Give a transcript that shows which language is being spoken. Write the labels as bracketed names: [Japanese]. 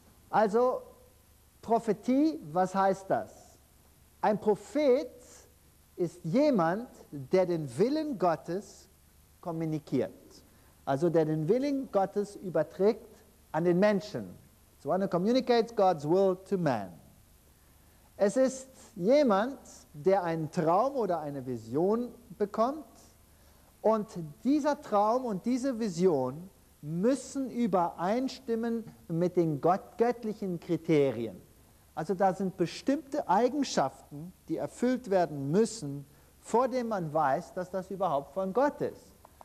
[German] Also Prophetie, was heißt das? Ein Prophet ist jemand, der den Willen Gottes kommuniziert. Also der den Willen Gottes überträgt an den Menschen. [English] So one who communicates God's will to man. [German] Es ist jemand, der einen Traum oder eine Vision bekommt. Und dieser Traum und diese Vision müssen übereinstimmen mit den göttlichen Kriterien. Also da sind bestimmte Eigenschaften, die erfüllt werden müssen, vor dem man weiß, dass das überhaupt von Gott ist.